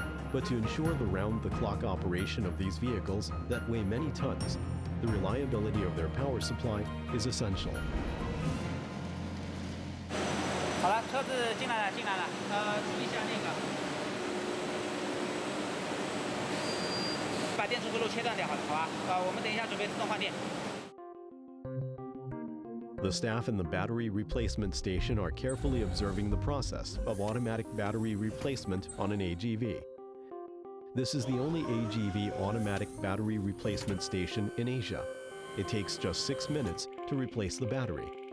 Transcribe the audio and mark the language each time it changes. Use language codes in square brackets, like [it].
[en] But to ensure the round-the-clock operation of these vehicles that weigh many tons, the reliability of their power supply is essential. [zh] 好了，车子进来了，进来了。注意一下那个，把电池回路切断掉，好了，好吧。我们等一下准备自动换电。 [en] The staff in the battery replacement station are carefully observing the process of automatic battery replacement on an AGV. This is the only AGV automatic battery replacement station in Asia. It takes just 6 minutes to replace the battery.